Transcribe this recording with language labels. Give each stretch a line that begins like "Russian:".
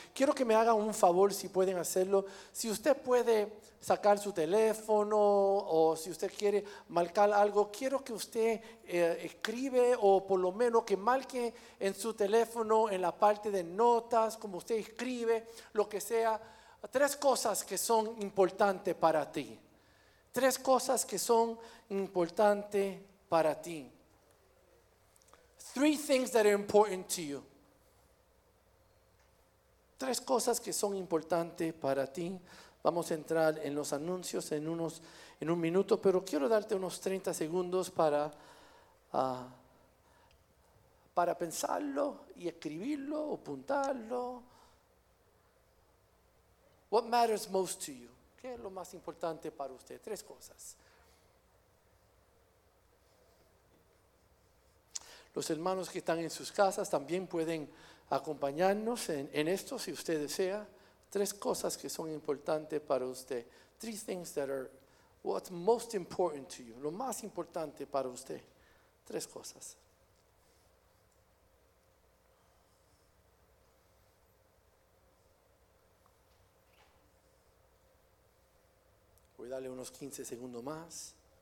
Spanish: Quiero que me hagan un favor, si pueden hacerlo. Si usted puede sacar su teléfono o si usted quiere marcar algo, quiero que usted escribe o por lo menos que marque en su teléfono, en la parte de notas, como usted escribe, lo que sea, tres cosas que son importantes para ti. Tres cosas que son importantes para ti.
English: Three things that are important to you.
Spanish: Tres cosas que son importantes para ti. Vamos a entrar en los anuncios en un minuto, pero quiero darte unos 30 segundos para pensarlo y escribirlo o apuntarlo.
English: What matters most to you?
Spanish: ¿Qué es lo más importante para usted? Tres cosas. Los hermanos que están en sus casas también pueden acompañarnos en esto si usted desea. Tres cosas que son importantes para usted.
English: Three things that are what's most important to you.
Spanish: Lo más importante para usted. Tres cosas. Voy a darle unos 15 segundos más.